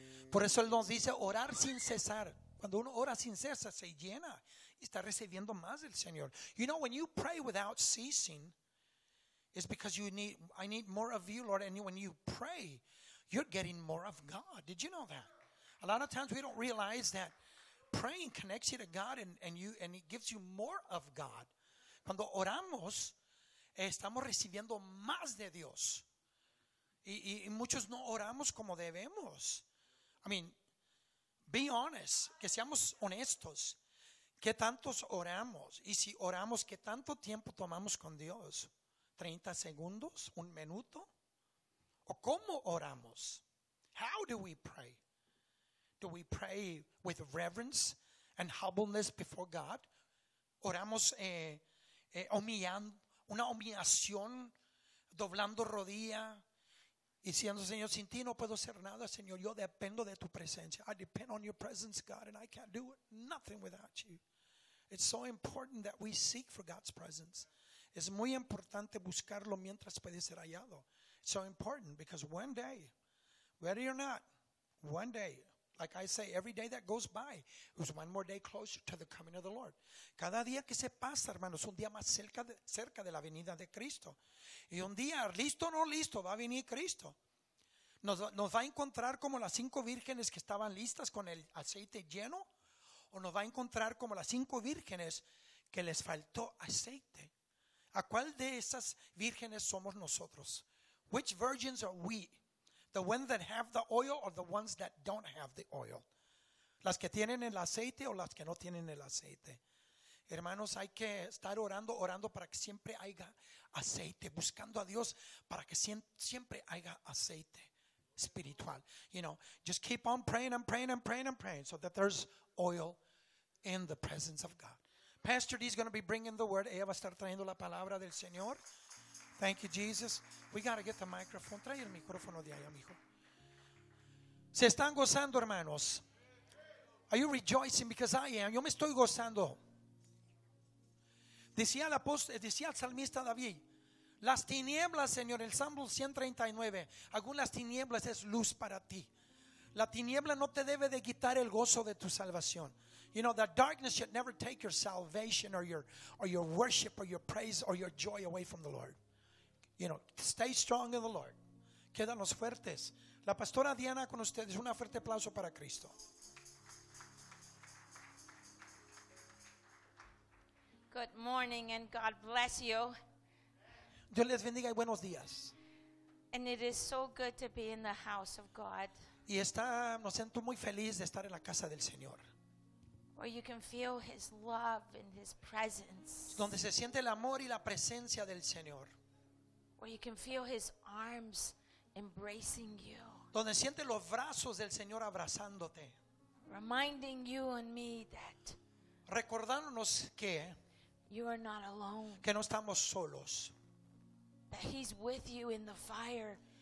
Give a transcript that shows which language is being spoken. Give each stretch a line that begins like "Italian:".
Spanish: Por eso Él nos dice orar sin cesar. Cuando uno ora sin cesar, se llena y está recibiendo más del Señor.
English: You know, when you pray without ceasing, it's because you need, I need more of you, Lord. And when you pray, you're getting more of God. Did you know that? A lot of times we don't realize that praying connects you to God and it gives you more of God.
Spanish: Cuando oramos, estamos recibiendo más de Dios. Y muchos no oramos como debemos.
English: I mean, be honest,
Spanish: que seamos honestos. ¿Qué tantos oramos? Y si oramos, ¿qué tanto tiempo tomamos con Dios? ¿30 segundos? ¿Un minuto? ¿O cómo oramos?
English: How do we pray? Do we pray with reverence and humbleness before God?
Spanish: Oramos humillando, una humillación, doblando rodilla y diciendo, Señor, sin ti no puedo hacer nada, Señor. Yo dependo de tu presencia.
English: I depend on your presence, God, and I can't do nothing without you. It's so important that we seek for God's presence.
Spanish: Es muy importante buscarlo mientras puede ser hallado.
English: It's so important because one day, whether or not, one day, Like I say, every day that goes by is one more day closer to the coming of the Lord.
Spanish: Cada día que se pasa, hermanos, un día más cerca de la venida de Cristo. Y un día, listo o no listo, va a venir Cristo. Nos va a encontrar como las cinco vírgenes que estaban listas con el aceite lleno, o nos va a encontrar como las cinco vírgenes que les faltó aceite. ¿A cuál de esas vírgenes somos nosotros?
English: Which virgins are we? The ones that have the oil or the ones that don't have the oil?
Spanish: Las que tienen el aceite o las que no tienen el aceite. Hermanos, hay que estar orando para que siempre haya aceite, buscando a Dios para que siempre haya aceite espiritual.
English: You know, just keep on praying and praying and praying and praying so that there's oil in the presence of God. Pastor D is going to be bringing the word.
Spanish: Ella va a estar trayendo la palabra del Señor.
English: Thank you, Jesus. We got to get the microphone.
Spanish: Trae el micrófono de allá, mijo. ¿Se están gozando, hermanos?
English: Are you rejoicing? Because I am.
Spanish: Yo me estoy gozando. Decía el salmista David, las tinieblas, Señor, el Salmo 139, algunas tinieblas es luz para ti. La tiniebla no te debe de quitar el gozo de tu salvación.
English: You know, the darkness should never take your salvation or your worship or your praise or your joy away from the Lord. You know, stay strong in the Lord.
Spanish: Quédanos fuertes. La pastora Diana con ustedes. Un fuerte aplauso para Cristo.
English: Good morning and God bless you.
Spanish: Dios les bendiga y buenos días.
English: And it is so good to be in the house of God.
Spanish: Y está, me siento muy feliz de estar en la casa del Señor.
English: Where you can feel His love and His presence.
Spanish: Donde se siente el amor y la presencia del Señor.
English: Where you can feel His arms embracing you.
Spanish: Donde siente los brazos del Señor abrazándote.
English: Reminding you and me that.
Spanish: Recordándonos que.
English: You are not alone.
Spanish: Que no estamos solos.
English: That He's with you in the fire.